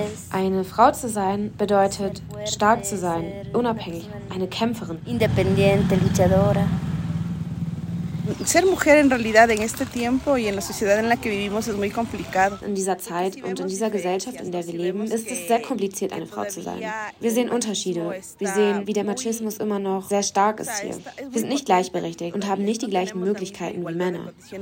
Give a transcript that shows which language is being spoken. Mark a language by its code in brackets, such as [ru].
[de] Eine Frau zu sein bedeutet, stark zu sein, unabhängig, eine Kämpferin. [es] Independiente, luchadora. Ser mujer en realidad en este tiempo y en la sociedad en la que vivimos es muy complicado. [de] In dieser Zeit und in dieser Gesellschaft, in der wir leben, ist es sehr kompliziert, eine Frau zu sein. Wir sehen Unterschiede. Wir sehen, wie der Machismus immer noch sehr stark ist hier. Wir sind nicht gleichberechtigt und haben nicht die gleichen Möglichkeiten wie Männer.